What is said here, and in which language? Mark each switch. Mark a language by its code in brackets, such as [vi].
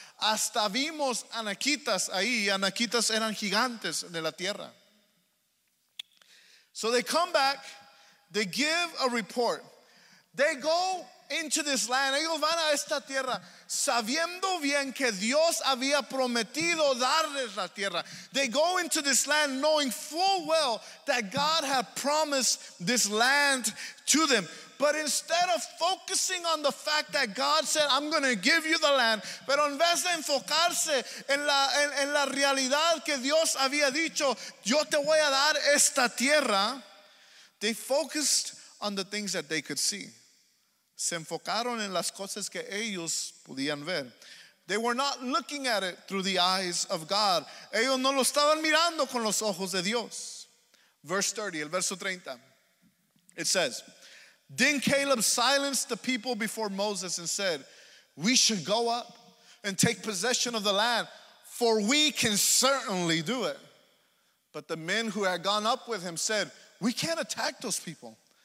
[es] Hasta vimos anakitas ahí. Anakitas eran gigantes de la tierra. [en] So they come back. They give a report. They go into this land. [es] Ellos van a esta tierra sabiendo bien que Dios había prometido darles la tierra. [en] They go into this land knowing full well that God had promised this land to them. But instead of focusing on the fact that God said, I'm going to give you the land, [es] pero en vez de enfocarse en la realidad que Dios había dicho, yo te voy a dar esta tierra, [en] they focused on the things that they could see. [es] Se enfocaron en las cosas que ellos podían ver. [en] They were not looking at it through the eyes of God. [es] Ellos no lo estaban mirando con los ojos de Dios. [en] Verse 30, [es] el verso 30. [en] It says, then Caleb silenced the people before Moses and said, we should go up and take possession of the land, for we can certainly do it. But the men who had gone up with him said, we can't attack those people.